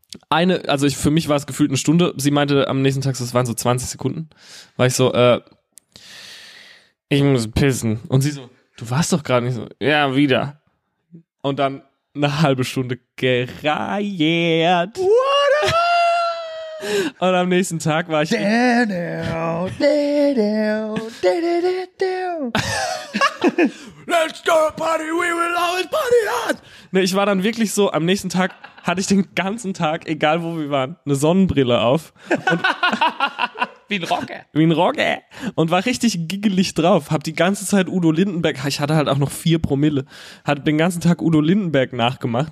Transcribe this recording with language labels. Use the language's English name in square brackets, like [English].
[German] Für mich war es gefühlt eine Stunde. Sie meinte am nächsten Tag, das waren so 20 Sekunden. War ich so, ich muss pissen. Und sie so, du warst doch gerade nicht so, ja, wieder. Und dann eine halbe Stunde gereiert. [English] What up? [German] Und am nächsten Tag war ich. [English] Let's go party, we will always party hard. [German] Ne, ich war dann wirklich so, am nächsten Tag hatte ich den ganzen Tag, egal wo wir waren, eine Sonnenbrille auf. Und Wie ein Rocker. Und war richtig giggelig drauf. Hab die ganze Zeit Udo Lindenberg, ich hatte halt auch noch 4 Promille, hat den ganzen Tag Udo Lindenberg nachgemacht.